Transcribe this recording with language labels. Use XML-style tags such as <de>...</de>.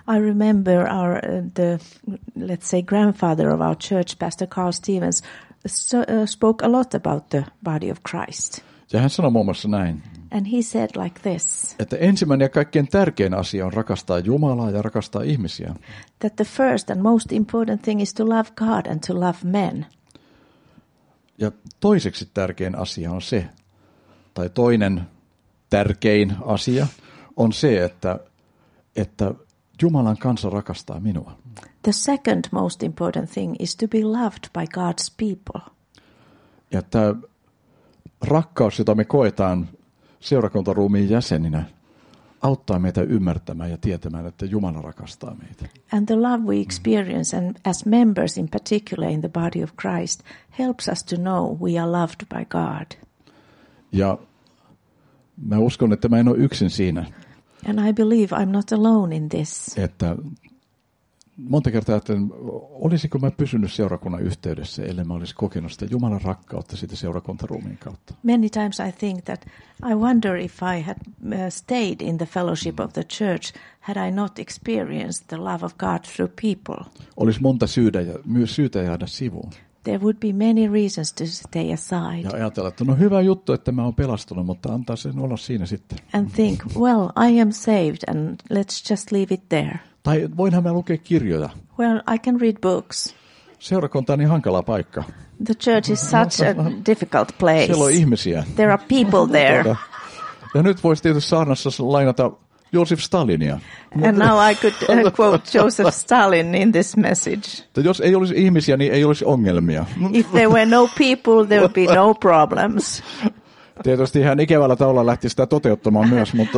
<en>I remember our the let's say grandfather of our church, Pastor Carl Stevens, spoke a lot about the body of Christ.</en> <fi>Ja hän sanoi muun muassa näin.</fi> <en>And he said like this.</en> <fi>Että ensimmäinen ja kaikkein tärkein asia on rakastaa Jumalaa ja rakastaa ihmisiä.</fi> <en>That the first and most important thing is to love God and to love men.</en> <fi>Ja toiseksi tärkein asia on se, tai toinen tärkein asia on se, että Jumalan kansa rakastaa minua.</fi> <en>The second most important thing is to be loved by God's people.</en> <fi>Ja tämä rakkaus, jota me koetaan seurakuntaruumiin jäseninä, auttaa meitä ymmärtämään ja tietämään, että Jumala rakastaa meitä.</fi> <en>And the love we experience and as members in particular in the body of Christ helps us to know we are loved by God.</en> <fi>Ja mä uskon, että mä en ole yksin siinä.</fi> <en>And I believe I'm not alone in this.</en> <fi>Että monta kertaa ajattelin, olisiko mä pysynyt seurakunnan yhteydessä, ellei mä olisi kokenut sitä Jumalan rakkautta siitä seurakuntaruumiin kautta.</fi> <en>Many times I think that I wonder if I had stayed in the fellowship of the church, had I not experienced the love of God through people.</en> <fi>Olisi monta syytä ja myös syytä jäädä sivuun.</fi> <en>There would be many reasons to stay aside.</en> <fi>Ja ajatella, että no hyvä juttu, että mä oon pelastunut, mutta antaa sen olla siinä sitten.</fi> <en>And think, well, I am saved and let's just leave it there.</en> <fi>Tai voinhan mä lukea kirjoja.</fi> <en>Well, I can read books.</en> <fi>Seurakunta on niin hankala paikka.</fi> <en>The church is such a difficult place.</en> <fi>Siellä on ihmisiä.</fi> <en>There are people there.</en> <fi>Ja nyt voisi tietysti saarnassa lainata Joseph Stalinia.</fi> <en>And now I could quote Joseph Stalin in this message.</en> <fi>Jos ei olisi ihmisiä, niin ei olisi ongelmia.</fi> <en>If there were no people, there would be no problems.</en> <fi>Tietysti ihan ikävällä tavalla lähti sitä toteuttamaan myös, mutta</fi>